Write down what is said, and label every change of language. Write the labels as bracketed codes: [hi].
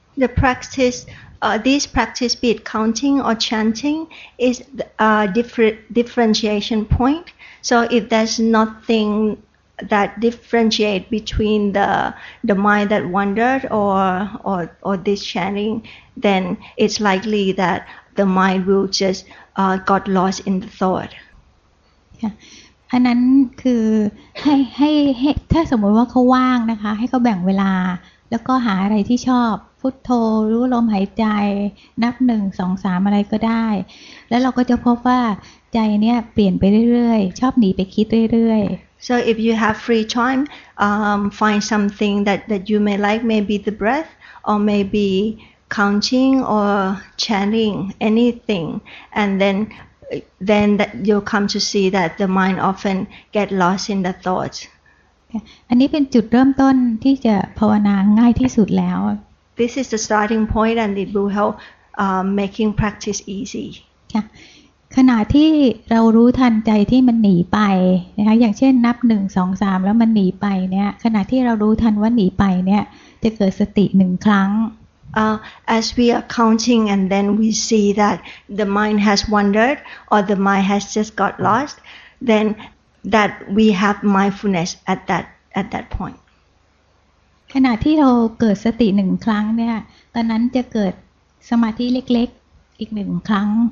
[en] The practice this practice be it counting or chanting is a differentiation point so if there's nothing that differentiate between the mind that wandered or this chanting then it's likely that the mind will justgot lost in the thought [th] อันนั้นคือให้ถ้าสมมติว่าเขาว่างนะคะให้เขาแบ่งเวลาแล้วก็หาอะไรที่ชอบพุทโธรู้ลมหายใจนับ1 2 3อะไรก็ได้แล้วเราก็จะพบว่าใจเนี้ยเปลี่ยนไปเรื่อยๆชอบหนีไปคิดเรื่อย [en] ๆ So if you have free time find something that you may like maybe the breath or maybe counting or chanting anything and then that you'll come to see that the mind often get lost in the thoughts. [th] อันนี้เป็นจุดเริ่มต้นที่จะภาวนาง่ายที่สุดแล้ว [en] This is the starting point and it will help making practice easy. [th] ขณะที่เรารู้ทันใจที่มันหนีไปนะคะอย่างเช่นนับ1 2 3แล้วมันหนีไปเนี่ยขณะที่เรารู้ทันว่าหนีไปเนี่ยจะเกิดสติ1ครั้ง [en] As we are counting and then we see that the mind has wandered or the mind has just got lost, then that we have mindfulness at that point. [th] ขณะที่เราเกิดสติหนึ่งครั้งเนี่ยตอนนั้นจะเกิดสมาธิเล็กๆอีกหนึ่งครั้ง